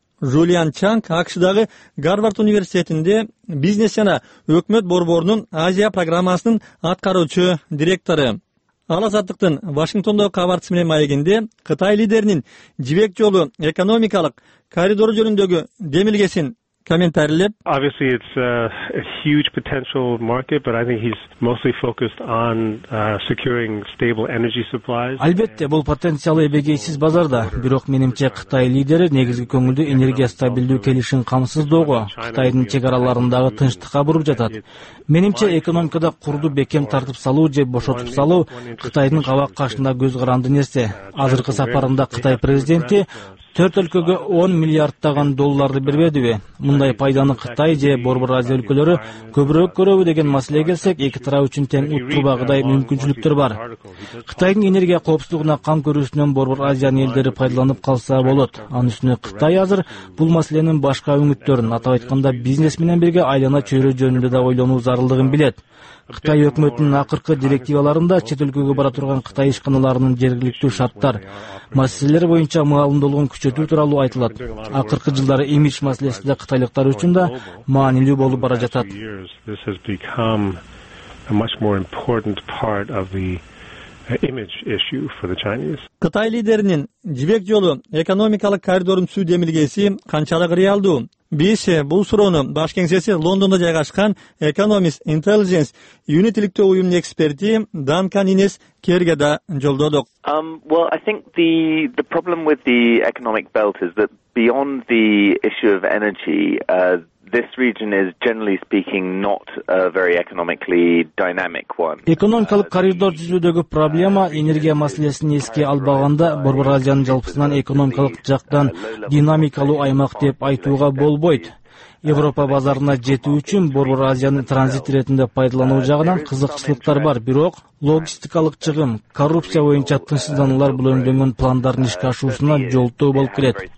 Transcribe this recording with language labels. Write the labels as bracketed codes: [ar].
[ky] Жулиан Чанг АКШдагы Гарвард университетинде бизнес жана өкмөт борборунун Азия программасынын аткаруучу директору. Ал Азаттыктын Вашингтондогу кабарчысы менен маегинде Кытай лидеринин Жибек жолу экономикалык коридору жөнүндөгү демилгесин комментарийлеп. [en] Obviously it's a huge potential market, but I think he's mostly focused on securing stable energy supplies. [ky] Албетте, бул потенциалы эбегейсиз базарда, бирок менимче Кытай лидери негизги көңүлдү энергия стабилдүү келишин камсыздоого, Кытайдын чек аралыгындагы тынчтыкка буруп жатат. Менимче экономикада курду бекем тартып салуу же бошотуп салуу Кытайдын кабак кашында көз каранды нерсе. Азыркы сапарында Кытай президенти 4 өлкөгө 10 миллиарддаган долларды бербедиби? Мындай пайданы Кытай же Борбор Азия өлкөлөрү көбүрөөк көрөбү деген маселе келсек, эки тарап үчүн тең уттурбагыдай мүмкүнчүлүктөр бар. Кытайдын энергия коопсуздугуна кам көрүүсүнөн Борбор Азиянын элдери пайдаланып калса болот. Анын үстүнө Кытай азыр бул маселенин башка үмүттөрүн, атап айтканда бизнес менен бирге айлана чөйрө жөнүндө да ойлонуу зарылдыгын билет. Кытай өкмөтүнүн акыркы директиваларында чет өлкөгө бара турган Кытай ишканаларынын жергиликтүү шарттар маселелери боюнча маалымдоолугун күчөтүү тууралуу айтылат. Акыркы жылдары имидж маселеси да кытайлыктар үчүн да маанилүү болуп бара жатат. [en] This has become a much more important part of the image issue for the Chinese. [ky] Кытай лидеринин жибек жолу экономикалык коридорун түзүү демилгеси канчалык реалдуу? Биз бул суроону баш кеңсеси Лондондо жайгашкан Economist Intelligence Unitiliktö уюмунун эксперти Данкан Инес Керге да жолдодук. [en] Well, I think the problem with the economic belt is that beyond the issue of energy, this region is generally speaking not a very economically dynamic one. [ky] Экономикалык коридор түзүүдөгү проблема энергия маселесин эске албаганда Борбор Азиянын жалпысынан экономикалык жактан динамикалуу аймак деп айтууга болбойт. Европа базарына жетүү үчүн Борбор Азияны транзит ретинде пайдалануу жагынан кызыкчылыктар бар, бирок логистикалык чыгым, коррупция боюнча тынчсызданулар бул өнүгөн пландардын ишке ашуусуна жолтоо болуп келет.